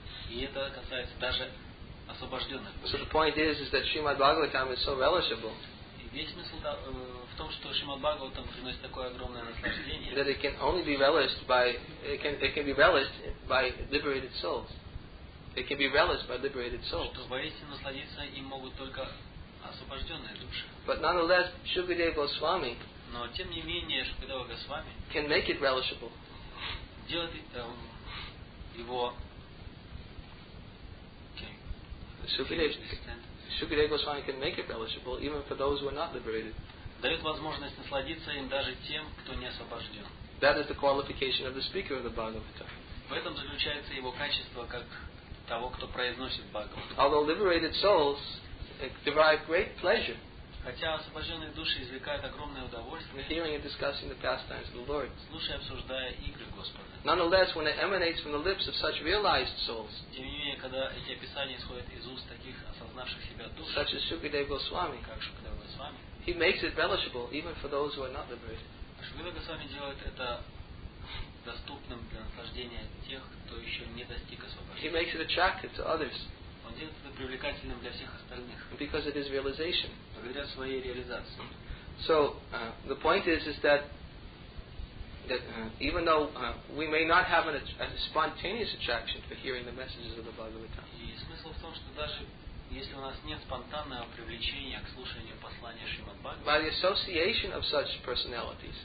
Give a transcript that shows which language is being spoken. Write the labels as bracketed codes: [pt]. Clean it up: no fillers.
[ru] И это касается даже освобожденных. [en] So the point is that Srimad Bhagavatam is so relishable. [ru] Весь смысл в том, что Шримад Бхагаватам приносит такое огромное наслаждение. [en] That it can only be relished by it can be relished by liberated souls. It can be relished by liberated souls. [ru] Что воистину насладиться им могут только освобожденные души. [en] But nonetheless, Shukadeva Goswami. [ru] Но тем не менее, Шукадева Госвами. [en] Can make it relishable. [ru] Делает его [en] Shukadeva Goswami can make it relishable even for those who are not liberated. [ru] Дает возможность насладиться им даже тем, кто не освобожден. [en] That is the qualification of the speaker of the Bhagavata. [ru] В этом заключается его качество как того, кто произносит Бхагавату. [en] Although liberated souls derive great pleasure. [ru] Хотя освобожденные души извлекают огромное удовольствие. [en] Hearing and discussing the pastimes of the Lord. [ru] Слушая и обсуждая игры Господа. [en] Nonetheless, when it emanates from the lips of such realized souls. [ru] Тем не менее, когда эти описания исходят из уст таких осознавших себя душ. [en] Such as Shukadeva Goswami. [ru] Как Шукадева Госвами. [en] He makes it relishable even for those who are not liberated. [ru] Шукадева Госвами делает это доступным для наслаждения тех, кто еще не достиг освобождения. [en] He makes it attractive to others. [ru] Он делает это привлекательным для всех остальных. [en] Because it is realization. [ru] Благодаря своей реализации. [en] So the point is that even though we may not have a spontaneous attraction for hearing the messages of the Bhagavata. [ru] И смысл в том, что даже если у нас нет спонтанного привлечения к слушанию послания Шримад Бхагаватам. [en] By the association of such personalities.